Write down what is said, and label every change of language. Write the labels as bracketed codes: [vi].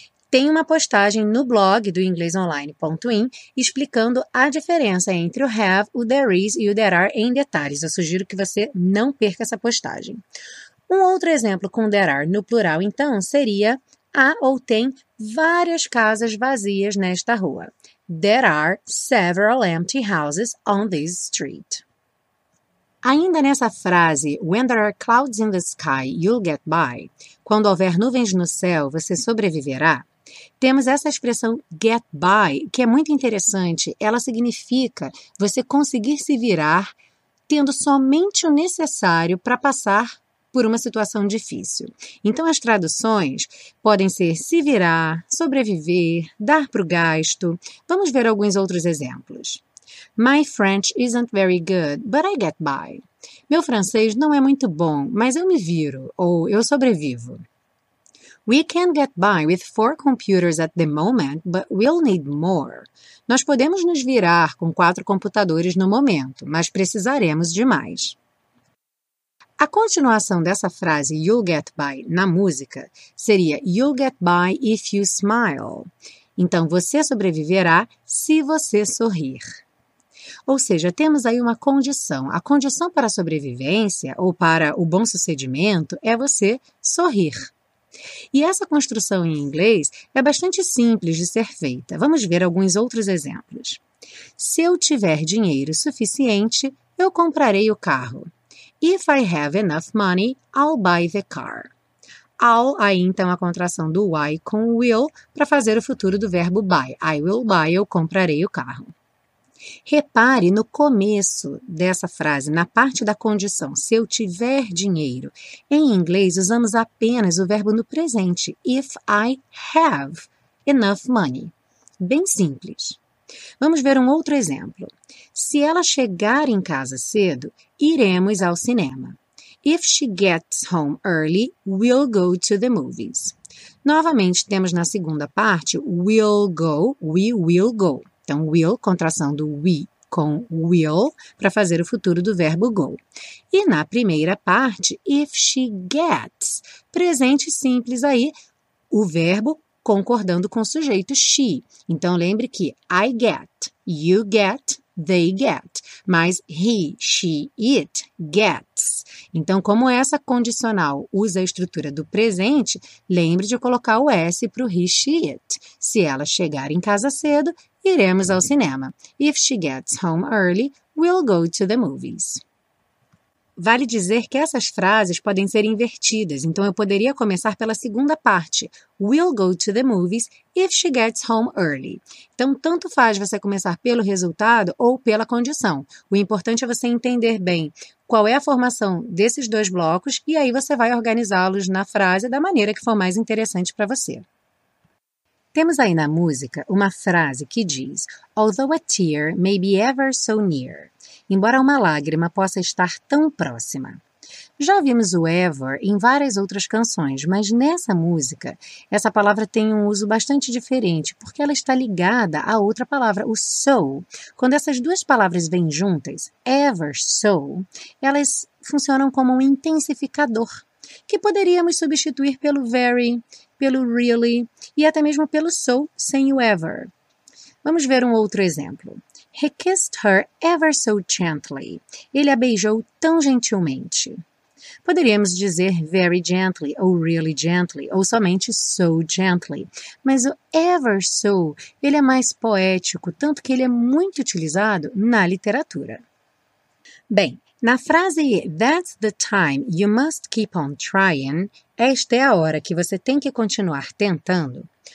[pt] Tem uma postagem no blog do inglesonline.in explicando a diferença entre o have, o there is e o there are em detalhes. Eu sugiro que você não perca essa postagem. Um outro exemplo com there are no plural, então, seria há ou tem várias casas vazias nesta rua. [en] There are several empty houses on this street. [pt] Ainda nessa frase, [en] when there are clouds in the sky, you'll get by. [pt] Quando houver nuvens no céu, você sobreviverá. Temos essa expressão get by, que é muito interessante. Ela significa você conseguir se virar tendo somente o necessário para passar por uma situação difícil. Então, as traduções podem ser se virar, sobreviver, dar para o gasto. Vamos ver alguns outros exemplos. [en] My French isn't very good, but I get by. [pt] Meu francês não é muito bom, mas eu me viro, ou eu sobrevivo. [en] We can get by with four computers at the moment, but we'll need more. [pt] Nós podemos nos virar com quatro computadores no momento, mas precisaremos de mais. A continuação dessa frase [en] You'll get by [pt] na música seria [en] You'll get by if you smile. [pt] Então você sobreviverá se você sorrir. Ou seja, temos aí uma condição. A condição para a sobrevivência ou para o bom sucedimento é você sorrir. E essa construção em inglês é bastante simples de ser feita. Vamos ver alguns outros exemplos. Se eu tiver dinheiro suficiente, eu comprarei o carro. [en] If I have enough money, I'll buy the car. [pt] I'll, aí então, a contração do I com o will para fazer o futuro do verbo buy. [en] I will buy, [pt] eu comprarei o carro. Repare no começo dessa frase, na parte da condição, se eu tiver dinheiro. Em inglês, usamos apenas o verbo no presente, [en] if I have enough money. [pt] Bem simples. Vamos ver um outro exemplo. Se ela chegar em casa cedo, iremos ao cinema. [en] If she gets home early, we'll go to the movies. [pt] Novamente, temos na segunda parte, [en] we'll go, we will go. [pt] Então, will, contração do we com will, para fazer o futuro do verbo go. E na primeira parte, [en] if she gets, [pt] presente simples aí, o verbo concordando com o sujeito she. Então, lembre que [en] I get, you get, they get, [pt] mas [en] he, she, it gets. [pt] Então, como essa condicional usa a estrutura do presente, lembre de colocar o S para o [en] he, she, it. [pt] Se ela chegar em casa cedo, iremos ao cinema. [en] If she gets home early, we'll go to the movies. [pt] Vale dizer que essas frases podem ser invertidas, então eu poderia começar pela segunda parte. [en] We'll go to the movies if she gets home early. [pt] Então, tanto faz você começar pelo resultado ou pela condição. O importante é você entender bem qual é a formação desses dois blocos e aí você vai organizá-los na frase da maneira que for mais interessante para você. Temos aí na música uma frase que diz: [en] Although a tear may be ever so near. [pt] Embora uma lágrima possa estar tão próxima. Já vimos o ever em várias outras canções, mas nessa música, essa palavra tem um uso bastante diferente, porque ela está ligada à outra palavra, o so. Quando essas duas palavras vêm juntas, ever so, elas funcionam como um intensificador, que poderíamos substituir pelo very, pelo really e até mesmo pelo so sem o ever. Vamos ver um outro exemplo. [en] He kissed her ever so gently. [pt] Ele a beijou tão gentilmente. Poderíamos dizer [en] very gently, [pt] ou [en] really gently, [pt] ou somente [en] so gently. [pt] Mas o ever so, ele é mais poético, tanto que ele é muito utilizado na literatura. Bem, na frase [en] That's the time you must keep on trying, [pt] esta é a hora que você tem que continuar tentando.